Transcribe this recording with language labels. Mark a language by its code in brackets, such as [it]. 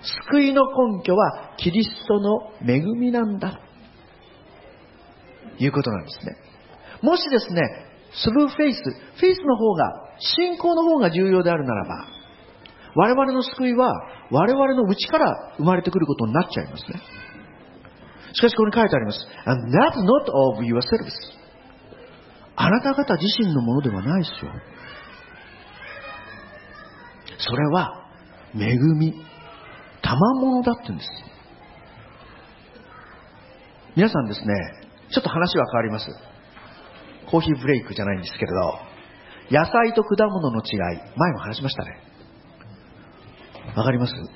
[ja] 救いの根拠はキリストの恵みなんだということなんですね。もしですね、スルーフェイス、フェイスの方が、信仰の方が重要であるならば、我々の救いは我々の内から生まれてくることになっちゃいますね。しかしここに書いてあります。 [en] And that's not of yourselves. [ja] あなた方自身のものではないですよ。それは恵み、賜物だって言うんです。皆さんですね、ちょっと話は変わります。コーヒーブレイクじゃないんですけれど、野菜と果物の違い、前も話しましたね。わかります？